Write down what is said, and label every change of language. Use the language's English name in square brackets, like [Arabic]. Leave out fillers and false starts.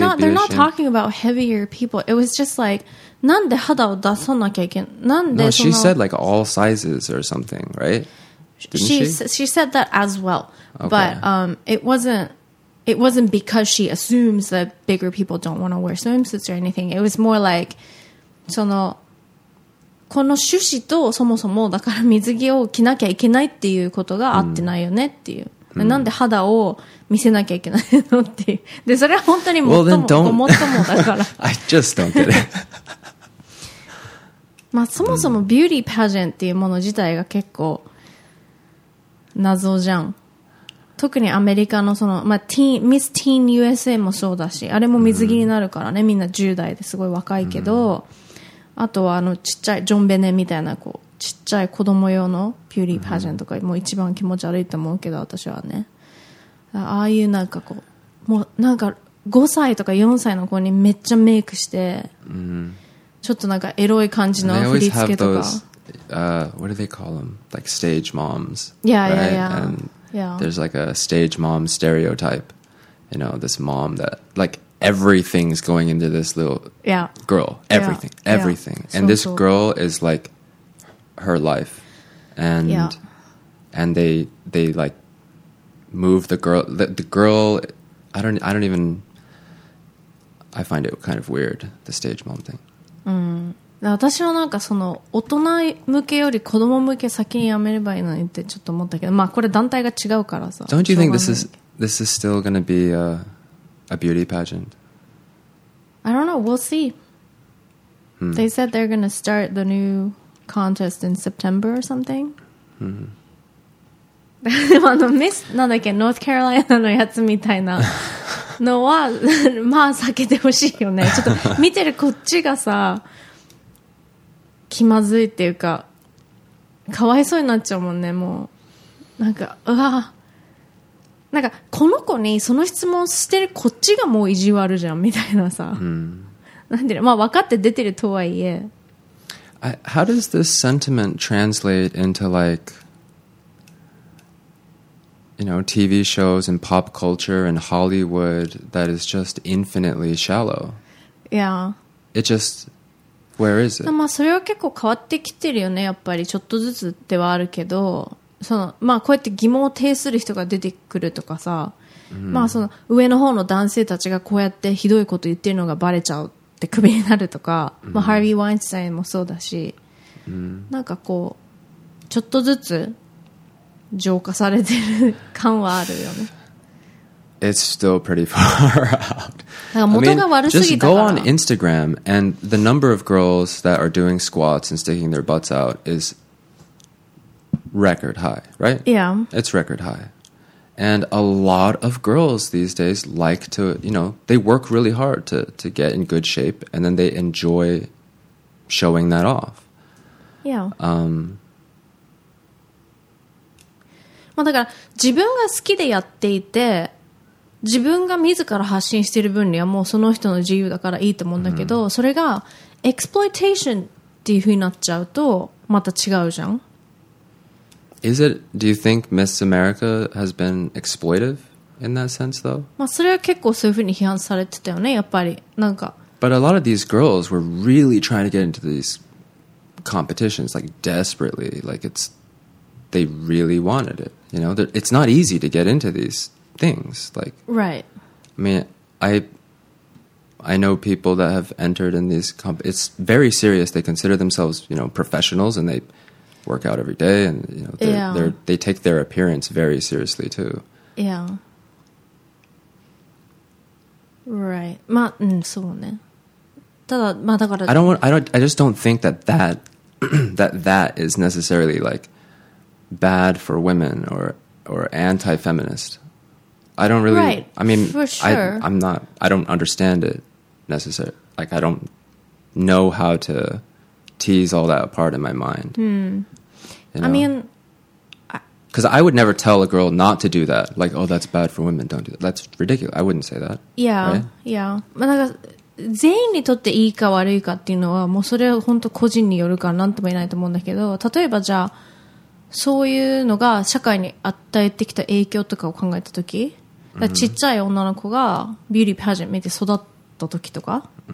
[English] No, they're not talking about heavier people. It was just like, [Japanese] なんで肌を出さなきゃいけない。 [English] No, she said like all sizes or something, right? She said that as well. Okay. But it wasn't because she assumes that bigger people don't want to wear swimsuits or anything. It was more like, [Japanese] その、この趣旨とそもそもだから水着を着なきゃいけないっていうことが合ってないよねっていう、うん、なんで肌を見せなきゃいけないのっていうでそれは本当に最も、 [English] well, [Japanese] 最もだから [English] I just don't get it [Japanese] まあそもそもビューティーパジェントっていうもの自体が結構謎じゃん特にアメリカのその、まあ、ミス・ティーン・ USA もそうだしあれも水着になるからね、うん、みんな10代ですごい若いけど、うんあとはあのちっちゃいジョンベネみたいなこうちっちゃい子供用のビューティーパジェントとかもう一番気持ち悪いと思うけど私はねああいうなんかこうもうなんか5歳とか4歳の子にめっちゃメイクしてちょっとなんかエロい感じの振り付けとか [English] What do they call them? Like stage moms Yeah, right? yeah, yeah. And there's like a stage mom stereotype You know, this mom that likeEverything's going into this little girl. Everything. Yeah. Everything. Yeah. And so, this girl is like her life. And and they like move the girl. The girl, I find it kind of weird, the stage mom thing. Mm. [Japanese] 私はなんかその大人向けより子供向け先にやめればいいのにってちょっと思ったけど、まあこれ団体が違うからさ。 [English] Don't you think this is still going to be a beauty pageant? I don't know. We'll see. Hmm. They said they're going to start the new contest in September or something. Hmm. [Japanese] あの、Miss、なんだっけ、North Carolina のやつみたいなのは、まあ、避けてほしいよね。ちょっと、見てるこっちがさ、気まずいっていうか、かわいそうになっちゃうもんね、もう。なんか、うわぁ。なんかこの子にその質問してるこっちがもう意地悪じゃんみたいなさ、なんていうの、まあ分かって出てるとはいえ、 [English] How does this sentiment translate into like, you know, TV shows and pop culture and Hollywood that is just infinitely shallow? Yeah. It just, where is it? [Japanese] まあそれは結構変わってきてるよね、やっぱりちょっとずつではあるけど、そのまあこうやって疑問を呈する人が出てくるとかさ、まあその上の方の男性たちがこうやってひどいこと言ってるのがバレちゃうってクビになるとか、まあ、ハービー・ワインスタインもそうだし、なんかこうちょっとずつ浄化されてる感はあるよね。 [English] It's still pretty far out. [Japanese] なんか元が悪すぎたから。 [English] I mean, just go on Instagram and the number of girls that are doing squats and sticking their butts out is record high, right? Yeah. It's record high. And a lot of girls these days like to, you know, they work really hard to get in good shape, and then they enjoy showing that off. Yeah. [Japanese] まあだから自分が好きでやっていて、自分が自ら発信してる分にはもうその人の自由だからいいと思うんだけど、それがエクスプロイテーションっていう風になっちゃうとまた違うじゃん。 [English] Is it, do you think Miss America has been exploitive in that sense though? [Japanese] まあそれは結構そういうふうに批判されてたよね、やっぱり。なんか。 [English] But a lot of these girls were really trying to get into these competitions, like desperately, like it's, they really wanted it, you know? It's not easy to get into these things, like. Right. I mean, I know people that have entered in these, it's very serious, they consider themselves, you know, professionals and they work out every day, and you know they take their appearance very seriously too. Yeah. Right. [Japanese] まあ、そうね。ただ、まあだから。 [English] I just don't think that is necessarily like bad for women or anti-feminist. I don't really. Right. I mean, for sure. I don't understand it necessarily. Like, I don't know how to tease all that apart in my mind. You know? I mean, because I would never tell a girl not to do that. Like, oh, that's bad for women. Don't do that. That's ridiculous. I wouldn't say that. Yeah, right? Yeah. [Japanese] まあなんか全員にとっていいか悪いかっていうのはもうそれは本当個人によるからなんとも言えないと思うんだけど、例えばじゃあそういうのが社会に与えてきた影響とかを考えた時、ちっちゃい女の子がビューティーパージェント見て育った時とか